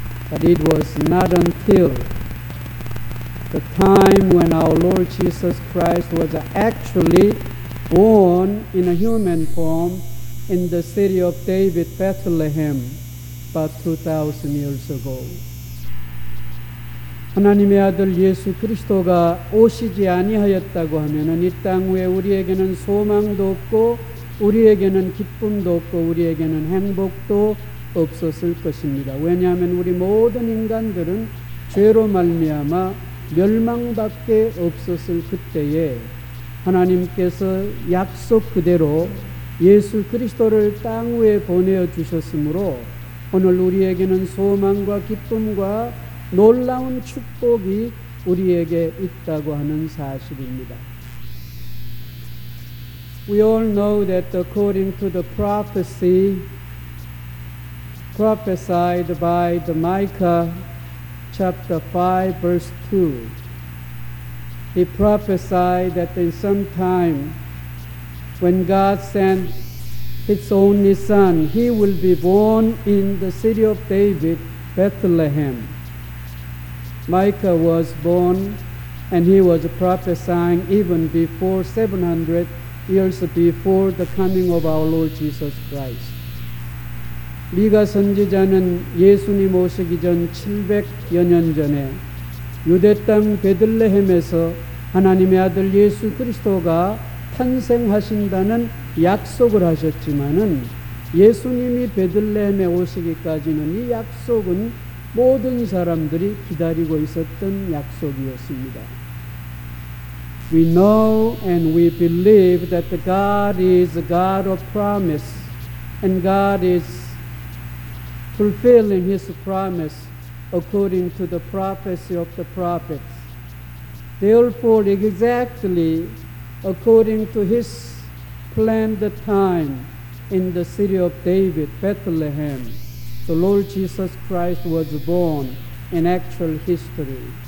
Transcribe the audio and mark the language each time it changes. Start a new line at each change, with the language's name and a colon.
English: But it was not until the time when our Lord Jesus Christ was actually born in a human form in the city of David, Bethlehem, about 2,000 years ago.
Korean: 하나님의 아들 예수 그리스도가 오시지 아니하였다고 하면은 이 땅 위에 우리에게는 소망도 없고 우리에게는 기쁨도 없고 우리에게는 행복도 없었을 것입니다. 왜냐하면 우리 모든 인간들은 죄로 말미암아 멸망밖에 없었을 그때에 하나님께서 약속 그대로 예수 그리스도를 땅 위에 보내주셨으므로 오늘 우리에게는 소망과 기쁨과 놀라운 축복이 우리에게 있다고 하는 사실입니다.
English: We all know that according to the prophecy prophesied by the Micah chapter 5 verse 2, he prophesied that in some time when God sent his only son, he will be born in the city of David, Bethlehem. Micah was born and he was prophesying even before 700 years before the coming of our Lord Jesus Christ.
Korean: 미가 선지자는 예수님 오시기 전 700여 년 전에 유대 땅 베들레헴에서 하나님의 아들 예수 그리스도가 탄생하신다는 약속을 하셨지만은 예수님이 베들레헴에 오시기까지는 이 약속은 모든 사람들이 기다리고 있었던 약속이었습니다.
English: We know and we believe that God is a God of promise and God is fulfilling his promise according to the prophecy of the prophets. Therefore, exactly according to his planned time in the city of David, Bethlehem, the Lord Jesus Christ was born in actual history.